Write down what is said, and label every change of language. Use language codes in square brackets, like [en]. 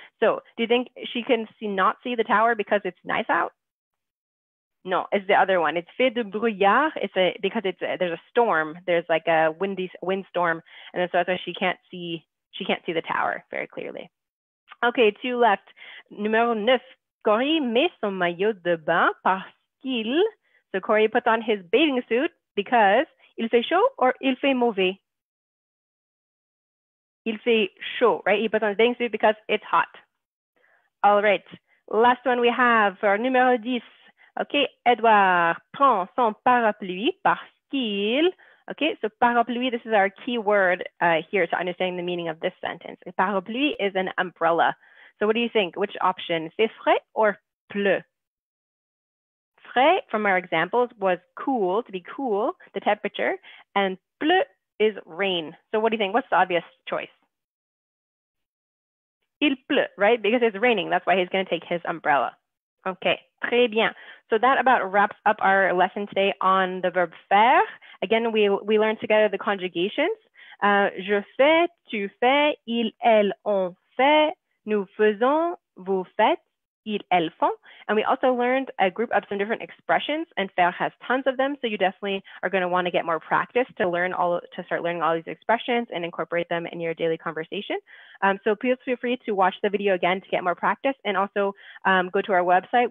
[en] So, do you think she can not see the tower because it's nice out? No, it's the other one. It's [fr] fait de brouillard. [en] It's because there's a storm. There's like a windstorm, and so that's why she can't see the tower very clearly. Okay, two left. Numéro neuf. [fr] Cory met son maillot de bain parce qu'il. [en] So Cory put on his bathing suit because [fr] il fait chaud [en] or [fr] il fait mauvais. Il fait chaud, [en] right? He put on his bathing suit because it's hot. All right, last one we have for numéro dix. [fr] Okay, Edouard prend son parapluie parce qu'il. [en] Okay, so parapluie, this is our key word here to understand the meaning of this sentence. Et parapluie is an umbrella. So what do you think? Which option? [fr] C'est frais or pleu? [en] Frais, from our examples, was cool, to be cool, the temperature. And pleu is rain. So what do you think? What's the obvious choice? [fr] Il pleut, [en] right? Because it's raining. That's why he's going to take his umbrella. Okay, [fr] très bien. [en] So that about wraps up our lesson today on the verb faire. Again, we learned together the conjugations. [fr] Je fais, tu fais, il, elle, on fait, nous faisons, vous faites, elles font. [en] And we also learned a group of some different expressions, and Faire has tons of them. So you definitely are going to want to get more practice to learn all, to start learning all these expressions and incorporate them in your daily conversation. So please feel free to watch the video again to get more practice, and also go to our website.